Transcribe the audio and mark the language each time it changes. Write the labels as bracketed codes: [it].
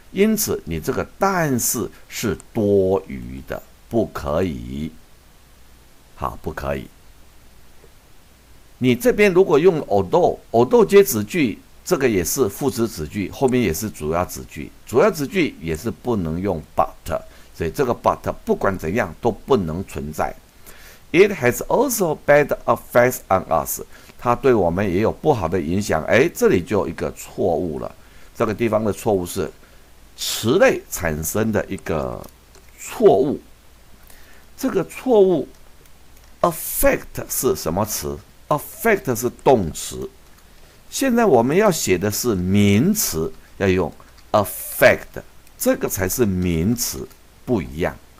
[zh] 因此你这个但是是多余的，不可以。好，不可以。你这边如果用 although， although 接子句，这个也是副词子句，后面也是主要子句，主要子句也是不能用 but， 所以这个 but 不管怎样都不能存在。 [en] It has also bad effects on us， [zh] 它对我们也有不好的影响。哎，这里就有一个错误了，这个地方的错误是词类产生的一个错误。这个错误 affect 是什么词？ affect 是动词，现在我们要写的是名词，要用 affect， 这个才是名词，不一样。